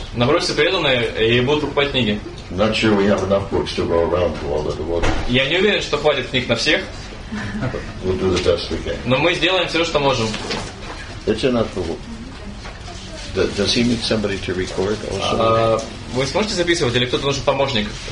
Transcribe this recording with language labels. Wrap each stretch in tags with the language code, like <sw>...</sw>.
<ru>Набросьте преданные и будут покупать книги.</ru> <en>Not sure we have enough books to go around to all the devotees.</en> <ru>Я не уверен, что хватит книг на всех.</ru> <en>We'll do the best we can.</en> <ru>Но мы сделаем все, что можем.</ru> <en>It's enough for. Does he need somebody to record also?</en> <ru>Вы сможете записывать, или кто-то нужен помощник?</ru>